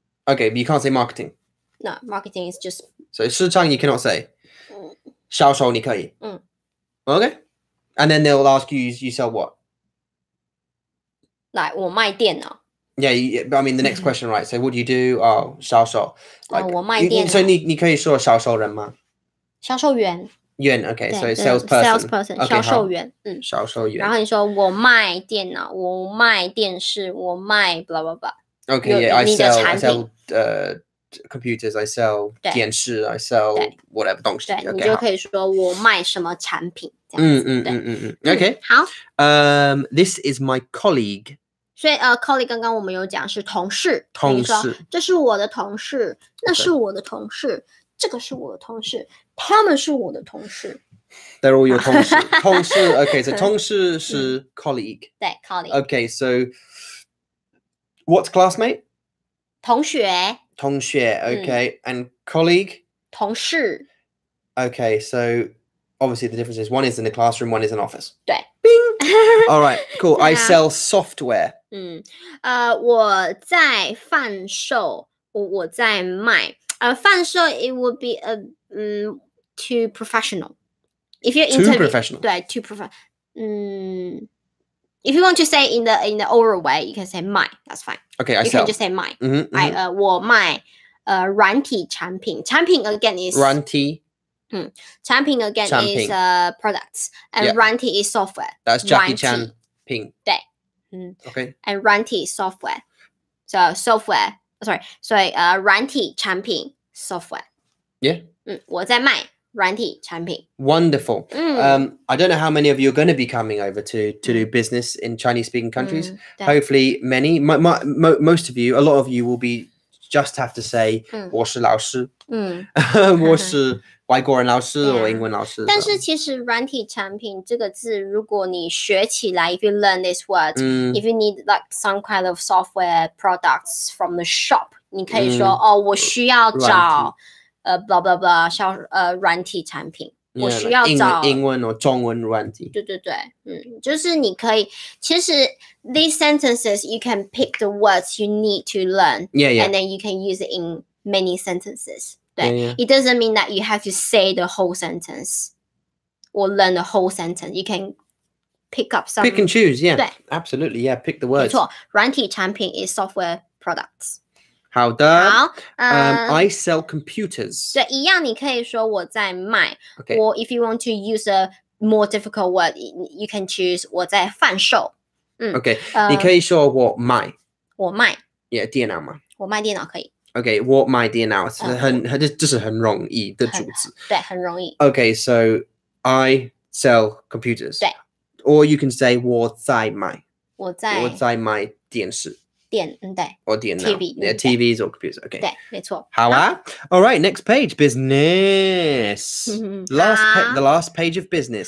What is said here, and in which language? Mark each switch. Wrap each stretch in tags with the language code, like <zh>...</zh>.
<en>Okay, but you can't say marketing. No, marketing is just... So 市场 you cannot say.</en> <zh>销售你可以.Okay.</zh> <en>And then they'll ask you, you sell what?</en> <zh>Like, 我卖电脑.</zh> <en>Yeah, I mean, the next question, right? So, what do you do? Oh, 销售.</en> <zh>Like, 我卖电脑. So, 你可以说销售人吗? 销售员.</zh> <en>员, okay, so salesperson. Salesperson, okay,</en> <zh>销售员. 销售员. 然后你说我卖电脑, 我卖电视, 我卖 blah blah blah.</zh> <en>Okay, yeah, I sell computers, I sell 电视 I sell whatever 东西。</en> <zh>对，你就可以说我卖什么产品。嗯嗯嗯嗯。Okay. 好。</zh> <en>This is my colleague.</en> <zh>所以colleague 刚刚我们有讲是同事。同事。这是我的同事，那是我的同事，这个是我的同事，他们是我的同事。</zh> <en>They're all your 同事。 同事 ，Okay. So 同事是 colleague.</en> <zh>对 ，colleague.</zh> <en>Okay. So what's classmate?</en> <zh>同学</zh> <en>同学 okay、mm. and colleague</en> <zh>同事</zh> <en>okay so obviously the difference is one is in the classroom one is in office</en> <zh>对</zh> <en>bing all right cool、yeah. I sell software</en> <zh>嗯我在贩售我在卖贩售</zh> <en>it would be a too professional if you're too professional 对 too professional If you want to say in the oral way, you can say my. That's fine. Okay, I sell. You can just say my. Mm-hmm, mm-hmm.</en> <zh>I 我卖软体产品产品 again is 软体</zh> <en>产品 again 产品 is products and、yeah. 软体 is software. That's Jackie Chan ping.</en> <zh>对，嗯</zh> <en>，Okay. And 软体 software, so software.</en> <zh>Sorry, 所以软体产品 software.</zh> <en>Yeah.</en> <zh>我在卖。软体产品</zh> <en>Wonderful.、Mm. I don't know how many of you are going to be coming over to do business in Chinese-speaking countries.、 Mm, Hopefully many. Most of you, a lot of you will be just have to say、mm.</en> <zh>我是老师、 mm. 我是外国人老师、yeah. 或英文老师。但是其实软体产品这个字如果你学起来</zh> <en>if you learn this word、 mm. if you need like some kind of software products from the shop</en> <zh>你可以说、</zh> <en>mm.</en> <zh>哦，我需要找blah blah blah, 像软体产品</zh> <en>yeah,</en> <zh>我需要找英文或中文软体对对对、嗯、就是你可以其实</zh> <en>these sentences you can pick the words you need to learn yeah, yeah. and then you can use it in many sentences 对 yeah, yeah. it doesn't mean that you have to say the whole sentence or learn the whole sentence you can pick up some pick and choose yeah 对 absolutely yeah pick the words</en> <zh>没错软体产品</zh> <en>is software products</en> <zh>好的好、</zh> <en>I sell computers.</en> <zh>对，一样你可以说我在卖</zh> <en>okay. Or if you want to use a more difficult word, you can choose</en> <zh>我在贩售、</zh> <en>嗯、</en> <zh>Okay,、你可以说我卖我卖 Yeah, 电脑嘛我卖电脑可以 Okay, 我卖电脑是很、就是很容易的主词对，很容易</zh> <en>Okay, so I sell computers.</en> <zh>对</zh> <en>Or you can say</en> <zh>我在卖我在卖电视电对，或电脑</zh> <en>，TV， yeah, TVs or computers， OK，</en> <zh>对，没错。好啊</zh> <en>，All right， next page， business， last the last page of business，</en>